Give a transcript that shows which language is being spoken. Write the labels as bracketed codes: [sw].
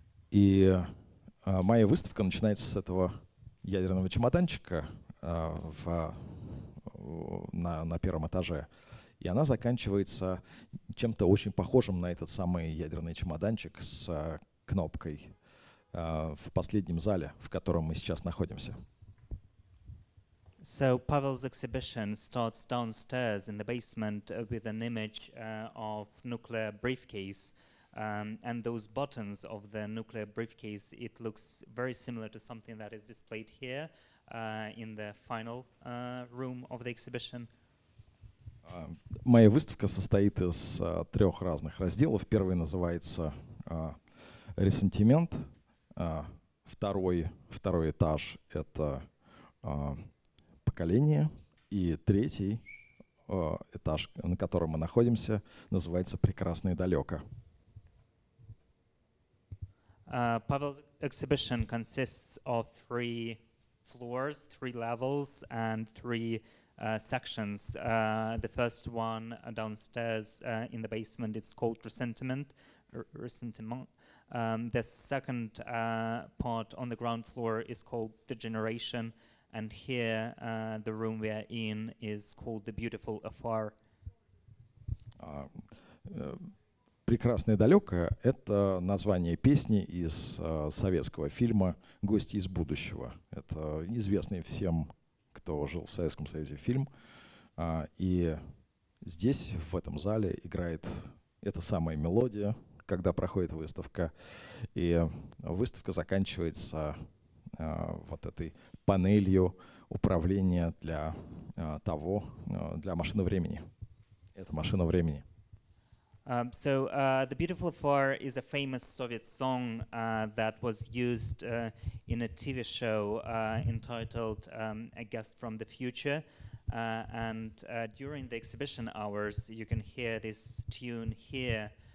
[ru] И моя выставка начинается с этого ядерного чемоданчика. На первом этаже, и она заканчивается чем-то очень похожим на этот самый ядерный чемоданчик с кнопкой в последнем зале, в котором мы сейчас находимся. [en] So Pavel's exhibition starts downstairs in the basement with an image of nuclear briefcase, and those buttons of the nuclear briefcase, it looks very similar to something that is displayed here in the final room of the exhibition. [ru] Моя выставка состоит из трех разных разделов. Первый называется «Ресентимент». Второй этаж — это «Поколение». И третий этаж, на котором мы находимся, называется «Прекрасно и далеко». [en] Павел's exhibition consists of three floors, three levels, and three sections. The first one downstairs in the basement, it's called Resentiment. The second part on the ground floor is called Degeneration, and here the room we are in is called The Beautiful Afar. [ru] Прекрасное далекое — это название песни из советского фильма «Гости из будущего». Это известный всем, кто жил в Советском Союзе, фильм. И здесь, в этом зале, играет эта самая мелодия, когда проходит выставка. И выставка заканчивается вот этой панелью управления для того, для машины времени. Это машина времени. [en] So The Beautiful Afar is a famous Soviet song that was used in a TV show entitled A Guest from the Future. And during the exhibition hours, you can hear this tune here.